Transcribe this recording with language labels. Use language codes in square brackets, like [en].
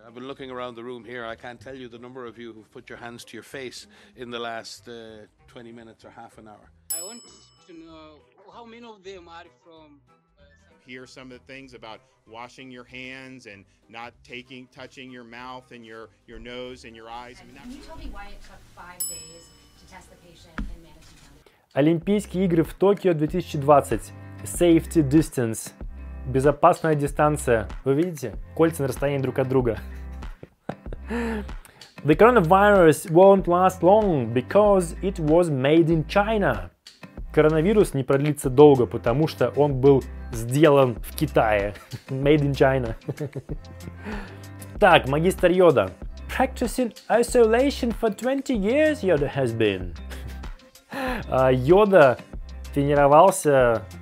[en] I've been looking around the room here. I can't tell you the number of you who've put your hands to your face in the last 20 minutes or half an hour. I want to know how many of them are from... Hear some of the things about washing your hands and not touching your mouth and your nose and your eyes. Can you tell me why it took 5 days to test the patient in Madison County? [ru] Олимпийские игры в Токио 2020. [en] Safety distance. [ru] Безопасная дистанция. Вы видите? Кольца на расстоянии друг от друга. [en] The coronavirus won't last long because it was made in China. [ru] Коронавирус не продлится долго, потому что он был сделан в Китае. [en] Made in China. [ru] Так, магистр Йода. [en] Practicing isolation for 20 years, Yoda has been. [ru] Йода тренировался...